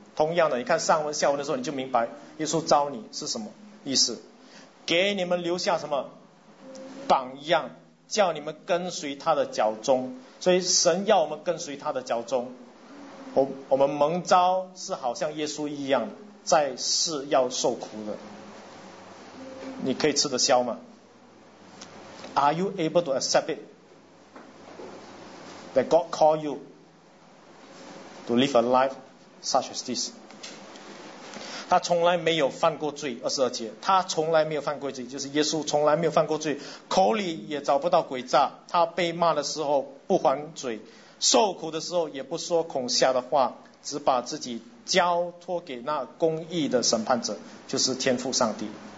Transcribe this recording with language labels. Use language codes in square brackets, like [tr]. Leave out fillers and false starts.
[zh] 同样的，你看上文下文的时候，你就明白耶稣召你是什么意思，给你们留下什么榜样，叫你们跟随他的脚踪。所以神要我们跟随他的脚踪。我们蒙召是好像耶稣一样在世要受苦的，你可以吃得消吗？ [en] Are you able to accept it that God call you to live a life such as this? [zh] 他从来没有犯过罪，二十二节，他从来没有犯过罪，就是耶稣从来没有犯过罪，口里也找不到诡诈，他被骂的时候不还嘴，受苦的时候也不说恐吓的话，只把自己交托给那公义的审判者，就是天父上帝。